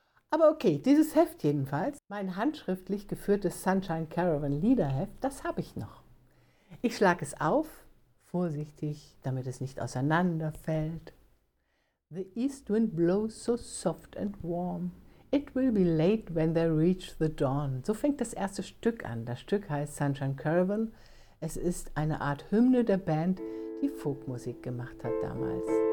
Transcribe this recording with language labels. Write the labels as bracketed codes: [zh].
[de] Aber okay, dieses Heft jedenfalls, mein handschriftlich geführtes Sunshine Caravan Liederheft, das habe ich noch. Ich schlage es auf, vorsichtig, damit es nicht auseinanderfällt. [en] The east wind blows so soft and warm. It will be late when they reach the dawn. [de] So fängt das erste Stück an. Das Stück heißt Sunshine Caravan. Es ist eine Art Hymne der Band, die Folkmusik gemacht hat damals.